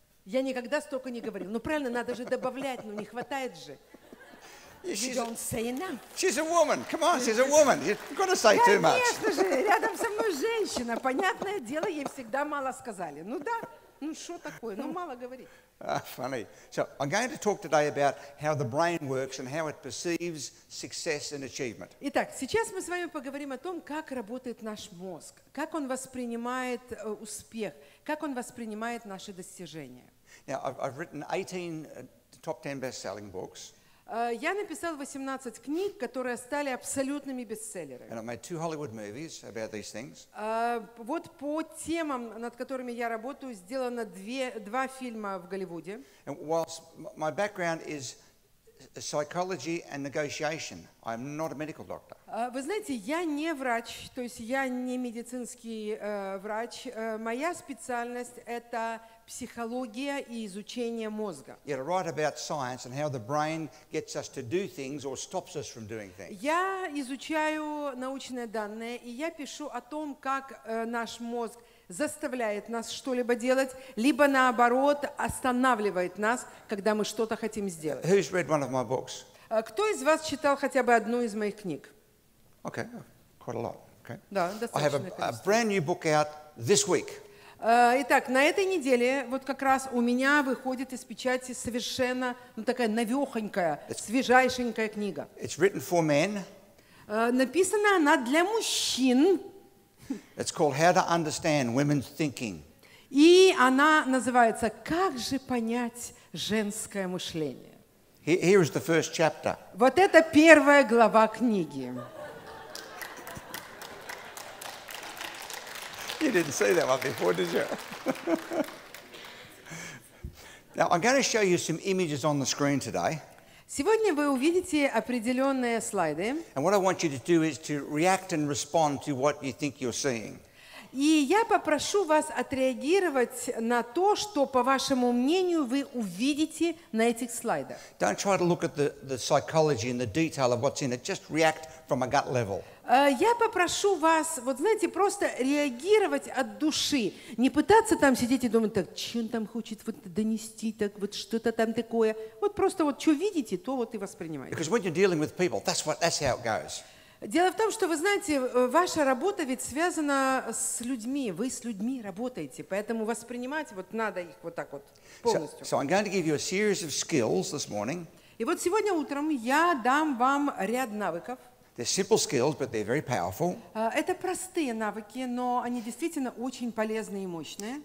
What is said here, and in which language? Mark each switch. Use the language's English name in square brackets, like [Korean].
[Russian] Я никогда столько не говорил. Ну, правильно, надо же добавлять, ну, не хватает же. [English] She's a woman. Come on, she's a woman. You've got to say too much. [Russian] Конечно же, рядом со мной женщина. Понятное дело, ей всегда мало сказали. Ну да, ну что такое, ну мало говорит. [English] Funny. So I'm going to talk today about how the brain works and how it perceives success and achievement. [Russian] Итак, сейчас мы с вами поговорим о том, как работает наш мозг, как он воспринимает успех, как он воспринимает наши достижения. [English] Now I've written 18 top 10 best-selling books. [Russian] Я написал 18 книг, которые стали абсолютными бестселлерами. [English] And I made two Hollywood movies about these things. [Russian] Вот по темам, над которыми я работаю, сделано два фильма в Голливуде. [English] And whilst my background is psychology and negotiation, I'm not a medical doctor. [Russian] Вы знаете, я не врач, то есть я не медицинский врач. Моя специальность — это психология и изучение мозга. [English] Yeah, to write about science and how the brain gets us to do things or stops us from doing things. [Russian] Я изучаю научные данные, и я пишу о том, как наш мозг заставляет нас что-либо делать, либо наоборот останавливает нас, когда мы что-то хотим сделать. [English] Who's read one of my books? [Russian] Кто из вас читал хотя бы одну из моих книг? [English] Okay, quite a lot. Okay. [Russian] Да, достаточно. [English] I have a brand new book out this week. [Russian] Итак, на этой неделе вот как раз у меня выходит из печати совершенно, ну, такая новёхонькая, свежайшенькая книга. [English] It's written for men. [Russian] Написана она для мужчин. [English] It's called How to Understand Women's Thinking. [Russian] И она называется «Как же понять женское мышление?» [English] Here is the first chapter. [Russian] Вот это первая глава книги. [English] You didn't see that one before, did you? Now, I'm going to show you some images on the screen today. [Russian] Сегодня вы увидите определенные слайды. [English] And what I want you to do is to react and respond to what you think you're seeing. [Russian] И я попрошу вас отреагировать на то, что, по вашему мнению, вы увидите на этих слайдах. [English] Don't try to look at the psychology and the detail of what's in it. Just react from a gut level. [Russian] Я попрошу вас, вот знаете, просто реагировать от души. Не пытаться там сидеть и думать, так, чем там хочет вот донести, так вот что-то там такое. Вот просто вот что видите, то вот и воспринимаете. [English] Because when you're dealing with people, that's how it goes. [Russian] Дело в том, что, вы знаете, ваша работа ведь связана с людьми, вы с людьми работаете, поэтому воспринимать вот надо их вот так вот полностью. [English] So I'm going to give you a series of skills this morning. [Russian] И вот сегодня утром я дам вам ряд навыков. [English] They're simple skills, but they're very powerful. [Russian] Это простые навыки, но они действительно очень полезные и мощные.